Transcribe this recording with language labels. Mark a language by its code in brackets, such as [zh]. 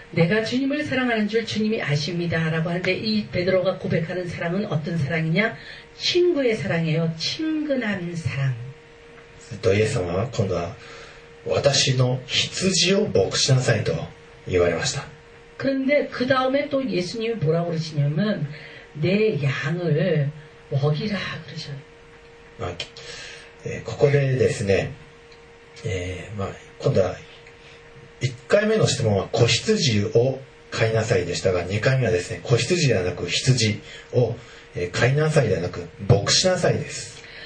[ko] 내가주님을사랑하는줄주님이아십니다라고하는데이베드로가고백하는사랑은어떤사랑이냐친구의사랑이에요친근한사랑 또예수님은 [ja] 今度は私の羊を牧しなさいと言われました [ko] 그런데그다음에또예수님이뭐라고그러시냐면 내 양을 먹이라 그러셔요. [ja] 아, ここでですね、まあ、今度は1回目の質問は子羊を飼いなさいでしたが、2回目はですね、子羊ではなく羊を飼いなさいではなく牧しなさいです。